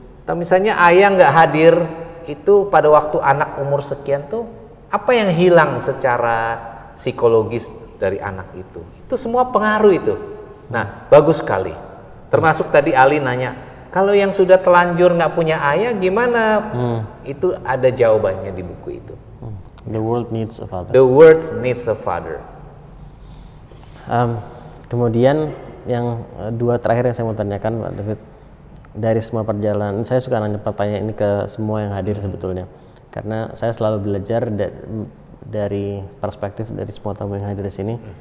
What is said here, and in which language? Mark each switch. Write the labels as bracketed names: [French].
[Indonesian] atau misalnya ayah nggak hadir itu pada waktu anak umur sekian tuh apa yang hilang secara psikologis dari anak itu? Itu semua pengaruh itu. Nah, bagus sekali. Termasuk tadi Ali nanya, kalau yang sudah telanjur nggak punya ayah gimana? Itu ada jawabannya di buku itu. [English] The world needs a father. The world needs a father. [Indonesian] Kemudian yang dua terakhir yang saya mau tanyakan, Pak David, dari semua perjalanan, saya suka nanya pertanyaan ini ke semua yang hadir sebetulnya, karena saya selalu belajar dari perspektif dari semua tamu yang hadir di sini.